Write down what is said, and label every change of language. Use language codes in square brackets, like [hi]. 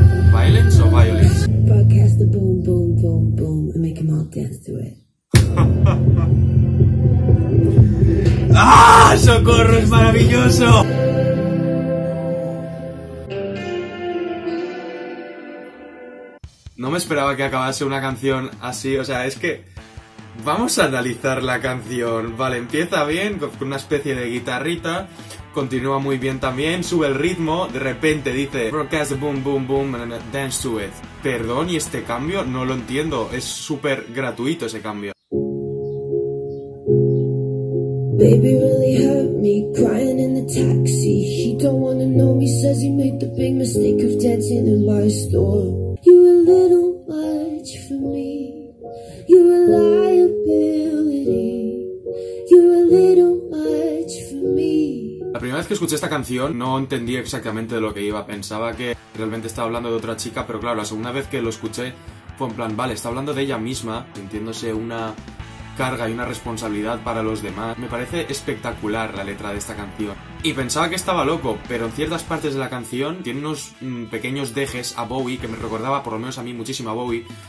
[en] ¿Violence o violence? Broadcast the boom, boom, boom, boom, and make them all dance to it. ¡Ah! [es] ¡Socorro, es maravilloso! No me esperaba que acabase una canción así, o sea, es que... Vamos a analizar la canción, vale, empieza bien, con una especie de guitarrita, continúa muy bien también, sube el ritmo, de repente dice [en] broadcast boom boom boom and dance to it. [es] Perdón, ¿y este cambio? No lo entiendo, es súper gratuito ese cambio. [en] Baby really hurt me, crying in the taxi. He don't wanna know me, says he made the big mistake of dancing in my store. You were a little much for me. You're a liability. You're a little much for me. [es] La primera vez que escuché esta canción no entendí exactamente de lo que iba. Pensaba que realmente estaba hablando de otra chica, pero claro, la segunda vez que lo escuché fue en plan, vale, está hablando de ella misma, sintiéndose una carga y una responsabilidad para los demás. Me parece espectacular la letra de esta canción. Y pensaba que estaba loco, pero en ciertas partes de la canción tiene unos pequeños dejes a Bowie que me recordaba, por lo menos a mí, muchísimo a Bowie.